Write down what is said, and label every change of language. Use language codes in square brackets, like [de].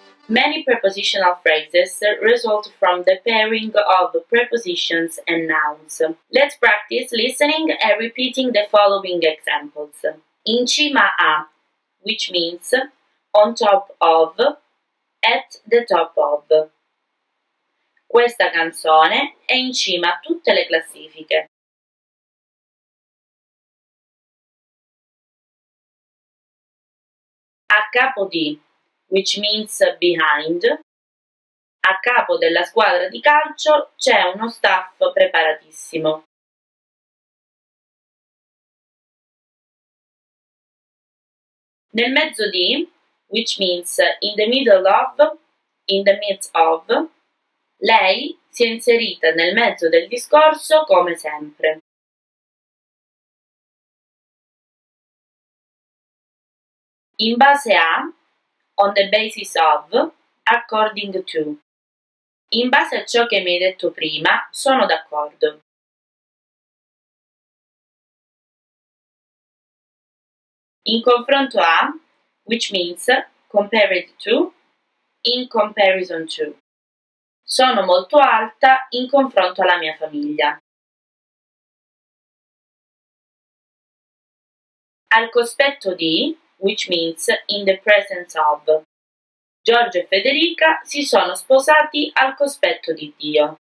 [en] Many prepositional phrases result from the pairing of prepositions and nouns. Let's practice listening and repeating the following examples. [it] In cima a, [en] which means on top of, at the top of. [it] Questa canzone è in cima a tutte le classifiche. A capo di, [en] which means behind. [it] A capo della squadra di calcio c'è uno staff preparatissimo. Nel mezzo di, [en] which means in the middle of, in the midst of, [it] lei si è inserita nel mezzo del discorso come sempre. In base a, [en] on the basis of, according to. [it] In base a ciò che mi hai detto prima, sono d'accordo. In confronto a, [en] which means compared to, in comparison to. [it] Sono molto alta in confronto alla mia famiglia. Al cospetto di, [en] which means in the presence of. [it] Giorgio e Federica si sono sposati al cospetto di Dio.